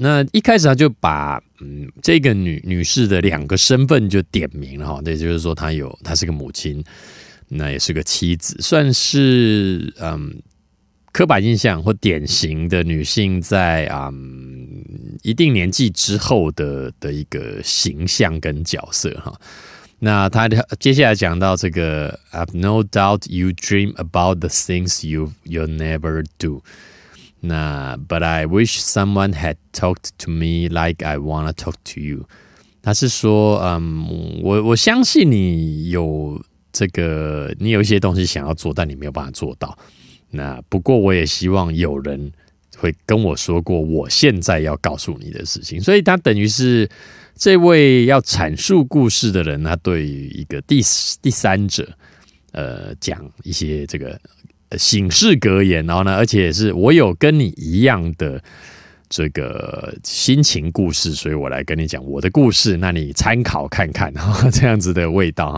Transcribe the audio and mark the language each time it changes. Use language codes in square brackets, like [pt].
[zh] 那一开始他就把这个 女士的两个身份就点名了，也就是说她是个母亲，那也是个妻子，算是刻板印象或典型的女性在一定年纪之后 的一个形象跟角色。那他接下来讲到这个 [en] I've no doubt you dream about the things you'll never do。那 But I wish someone had talked to me like I want to talk to you。 [zh] 他是说我相信你有这个，你有一些东西想要做但你没有办法做到，那不过我也希望有人会跟我说过我现在要告诉你的事情。所以他等于是这位要阐述故事的人，他对于一个 第三者讲一些这个醒世格言，然后呢，而且是我有跟你一样的这个心情故事，所以我来跟你讲我的故事，那你参考看看，这样子的味道。